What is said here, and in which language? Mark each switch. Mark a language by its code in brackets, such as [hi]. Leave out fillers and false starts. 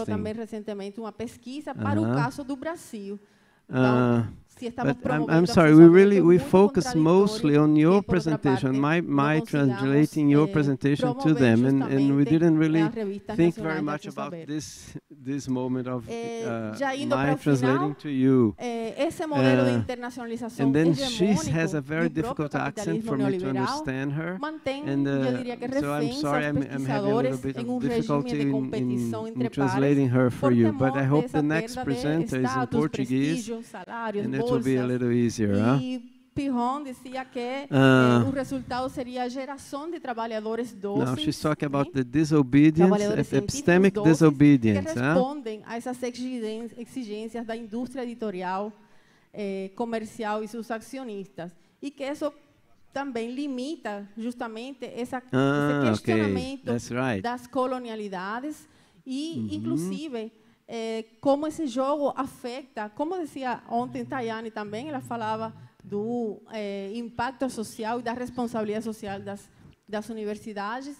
[pt] Mostrou também recentemente uma pesquisa para o caso do Brasil. [en] But I'm sorry, we focus mostly on your presentation, my translating your presentation to them, and we didn't really think very much about this moment of my translating [pt] final, [en] to you. [pt] Esse modelo de internacionalização [en] and then she has a very difficult accent for me to understand her, and so I'm sorry I'm having a little bit of difficulty in translating her for you, but I hope the next presenter is in Portuguese, and it will be a little easier. [pt] Pijon dizia que o resultado seria a geração de trabalhadores doces. [en] Now she's talking about the disobedience, epistemic disobedience. [pt] Que respondem a essas exigências da indústria editorial, comercial e seus acionistas. E que isso também limita justamente esse questionamento [en] That's right. [pt] das colonialidades e, inclusive, como esse jogo afeta, como dizia ontem Tayane também, ela falava do impacto social e da responsabilidade social das universidades.